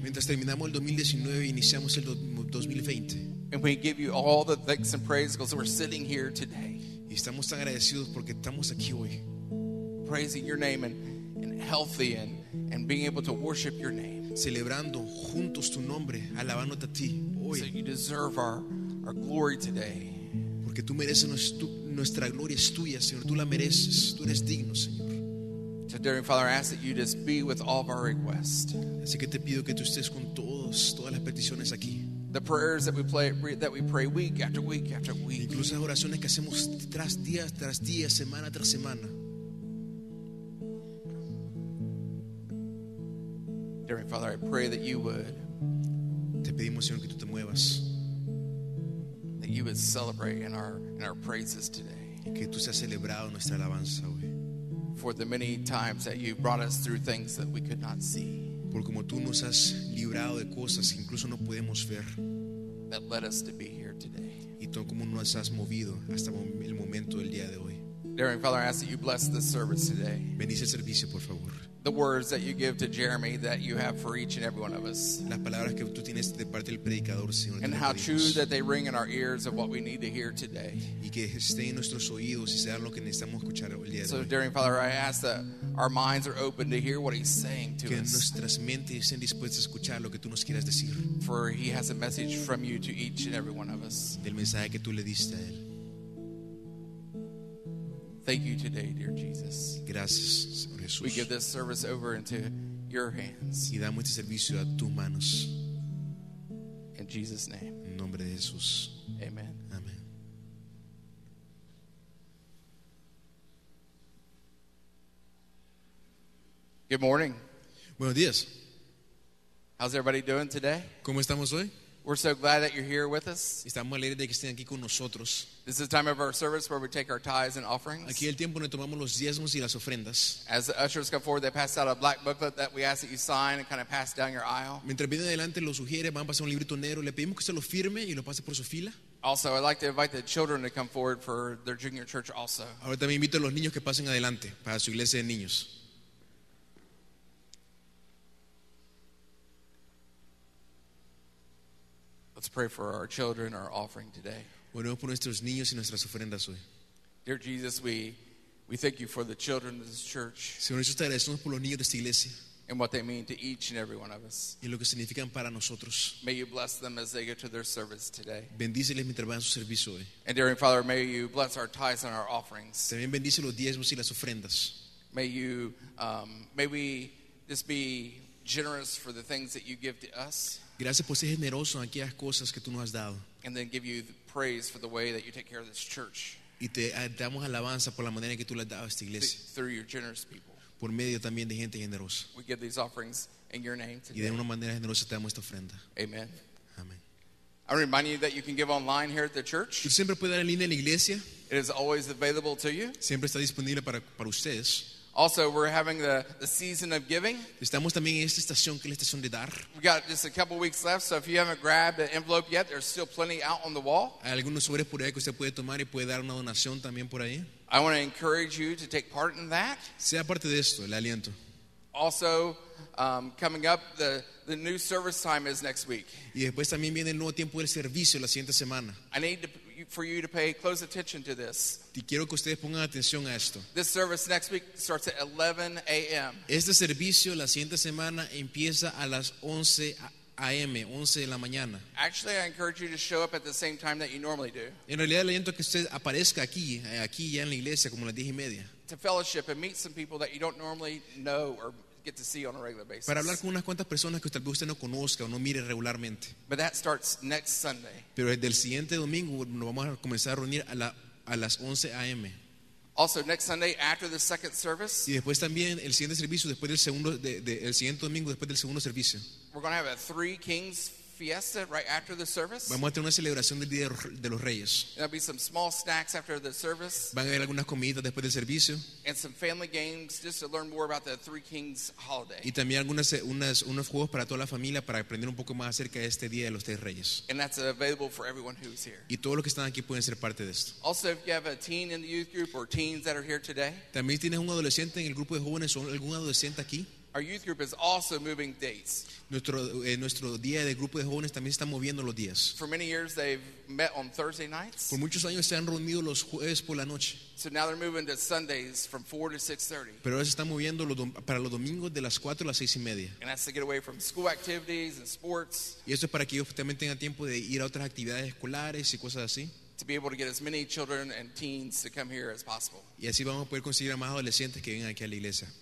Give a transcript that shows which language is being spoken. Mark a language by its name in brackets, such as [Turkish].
[Spanish] Mientras terminamos el 2019 y iniciamos el 2020. [English] And we give you all the thanks and praise because we're sitting here today. [Spanish] Y estamos tan agradecidos porque estamos aquí hoy. [English] Praising your name and healthy and being able to worship your name. [Spanish] Celebrando juntos tu nombre, alabándote a ti hoy. [English] So you deserve our glory today. [Spanish] Porque tú mereces nuestra gloria es tuya, Señor. Tú la mereces. Tú eres digno, Señor. [English] So, dear Father, I ask that you just be with all of our requests. [Spanish] Así que te pido que tú estés con todas las peticiones aquí. [English] The prayers that we pray week after week after week. [Spanish] Incluso las oraciones que hacemos tras día, semana tras semana. [English] Dear Father, I pray that you would. [Spanish] Te pedimos, Señor, que tú te muevas. [English] That you would celebrate in our praises today. [Spanish] Que tú seas celebrado nuestra alabanza hoy. [English] For the many times that you brought us through things that we could not see. [Spanish] Por como tú nos has librado de cosas que incluso no podemos ver. [English] That led us to be here today. [Spanish] Y tú como nos has movido hasta el momento del día de hoy. [English] Dear Father, I ask that you bless this service today. [Spanish] Bendice el servicio, por favor. [English] The words that you give to Jeremy that you have for each and every one of us. [Spanish] Las palabras que tú tienes de parte del predicador, Señor. [English] And how true that they ring in our ears of what we need to hear today. [Spanish] Y que estén en nuestros oídos y sea lo que necesitamos escuchar el día de hoy. [English] So, dear Father, I ask that our minds are open to hear what he's saying to us. [Spanish] Que nuestras mentes estén dispuestas a escuchar lo que tú nos quieras decir. [English] For he has a message from you to each and every one of us. [Spanish] Del mensaje que tú le diste a él. [English] Thank you today, dear Jesus. [Spanish] Gracias, Señor Jesús. [English] We give this service over into your hands. [Spanish] Y damos este servicio a tus manos. [English] In Jesus' name. [Spanish] En nombre de Jesús. [English] Amen. [Spanish] Amen. [English] Good morning. [Spanish] Buenos días. [English] How's everybody doing today? [Spanish] ¿Cómo estamos hoy? [English] We're so glad that you're here with us. [Spanish] Estamos alegres de que estén aquí con nosotros. [English] This is the time of our service where we take our tithes and offerings. [Spanish] Aquí el tiempo donde tomamos los diezmos y las ofrendas. [English] As the ushers come forward, they pass out a black booklet that we ask that you sign and kind of pass down your aisle. [Spanish] Mientras vienen adelante los sugieres, van a pasar un librito negro. Le pedimos que se lo firme y lo pase por su fila. [English] Also, I'd like to invite the children to come forward for their junior church also. [Spanish] Ahora también invito a los niños que pasen adelante para su iglesia de niños. [English] Let's pray for our children, our offering today. [Spanish] Oremos por nuestros niños y nuestras ofrendas hoy. [English] Dear Jesus, we thank you for the children of this church. [Spanish] Señor Jesús, te agradecemos por los niños de esta iglesia. [English] And what they mean to each and every one of us. [Spanish] Y lo que significan para nosotros. [English] May you bless them as they go to their service today. [Spanish] Bendíceles mientras van a su servicio hoy. [English] And dear Father, may you bless our tithes and our offerings. [Spanish] También bendice los diezmos y las ofrendas. [English] May you, may we just be generous for the things that you give to us. [Spanish] Gracias por ser generoso en aquellas cosas que tú nos has dado. [English] And then give you the praise for the way that you take care of this church. [Spanish] Y te damos alabanza por la manera en que tú le has dado a esta iglesia. [English] Through your generous people. [Spanish] Por medio también de gente generosa. [English] We give these offerings in your name today. [Spanish] Y de una manera generosa te damos esta ofrenda. [English] Amen. [Spanish] Amen. [English] I remind you that you can give online here at the church. [Spanish] Tú siempre puedes dar en línea en la iglesia. [English] It is always available to you. [Spanish] Siempre está disponible para ustedes. [English] Also, we're having the season of giving. [Spanish] Estamos también en esta estación, que es la estación de dar. [English] We got just a couple weeks left, so if you haven't grabbed an envelope yet, there's still plenty out on the wall. [Spanish] Hay algunos sobres por ahí que usted puede tomar y puede dar una donación también por ahí. [English] I want to encourage you to take part in that. [Spanish] Sea parte de esto, le aliento. [English] Also, coming up, the new service time is next week. [Spanish] Y después también viene el nuevo tiempo del servicio la siguiente semana. [English] I need to, for you to pay close attention to this. [Spanish] Y quiero que ustedes pongan atención a esto. [English] This service next week starts at 11 a.m. [Spanish] Este servicio la siguiente semana empieza a las 11 a.m., 11 de la mañana. [English] Actually, I encourage you to show up at the same time that you normally do. [Spanish] En realidad, le aliento que usted aparezca aquí ya en la iglesia, como las 10 y media. [English] To fellowship and meet some people that you don't normally know or get to see on a regular basis. [Spanish] Para hablar con unas cuantas personas que tal vez usted no conozca o no mire regularmente. [English] But that starts next Sunday. [Spanish] Pero desde el siguiente domingo nos vamos a comenzar a reunir a las 11 a.m. [English] Also next Sunday after the second service. [Spanish] Y después también el siguiente servicio después del segundo el siguiente domingo después del segundo servicio. [English] We're going to have a three kings fiesta right after the service. [Spanish] Vamos a tener una celebración del día de los Reyes. [English] There'll be some small snacks after the service. [Spanish] Van a haber algunas comidas después del servicio. [English] And some family games just to learn more about the Three Kings holiday. [Spanish] Y también unos juegos para toda la familia para aprender un poco más acerca de este día de los Tres Reyes. [English] And that's available for everyone who's here. [Spanish] Y todos los que están aquí pueden ser parte de esto. [English] Also, if you have a teen in the youth group or teens that are here today. [Spanish] También tienes un adolescente en el grupo de jóvenes o algún adolescente aquí. [English] Our youth group is also moving dates. [Spanish] Nuestro día de grupo de jóvenes también está moviendo los días. [English] For many years they've met on Thursday nights. [Spanish] Por muchos años se han reunido los jueves por la noche. [English] So now they're moving to Sundays from 4 to 6:30. [Spanish] Pero ahora se están moviendo para los domingos de las 4 a las 6:30. [English] And that's to get away from school activities and sports. [Spanish] Y eso es para que ellos también tengan tiempo de ir a otras actividades escolares y cosas así. [English] To be able to get as many children and teens to come here as possible. [Spanish] Y así vamos a poder conseguir a más adolescentes que vengan aquí a la iglesia.